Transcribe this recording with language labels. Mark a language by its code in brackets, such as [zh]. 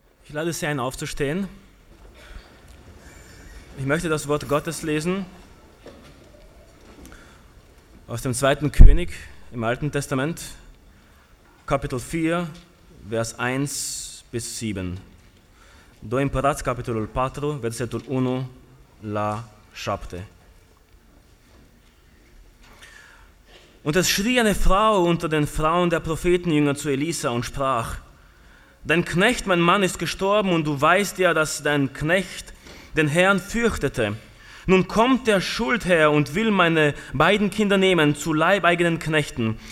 [de] lade Sie ein, aufzustehen. Ich möchte das Wort Gottes lesen aus dem 2. König im Alten Testament, Kapitel 4, Vers 1 bis 7. [ro] Do împărați, capitolul 4, versetul 1 la 7. [de] Und es schrie eine Frau unter den Frauen der Prophetenjünger zu Elisa und sprach: Dein Knecht, mein Mann, ist gestorben, und du weißt ja, dass dein Knecht den Herrn fürchtete. Nun kommt der Schuldherr und will meine beiden Kinder nehmen zu leibeigenen Knechten.